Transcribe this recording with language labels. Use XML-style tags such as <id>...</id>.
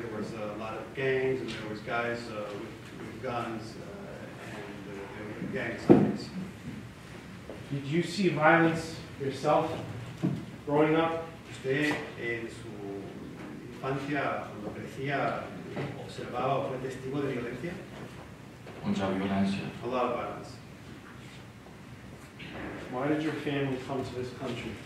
<en>There was a lot of gangs, and there was guys with guns, and there were gang signs. Did you see violence yourself growing up?</en> <es>Usted en su infancia, cuando crecía, observaba o fue testigo de violencia? Mucha violencia.</es> <en>A lot of violence. Why did your family come to this country?</en>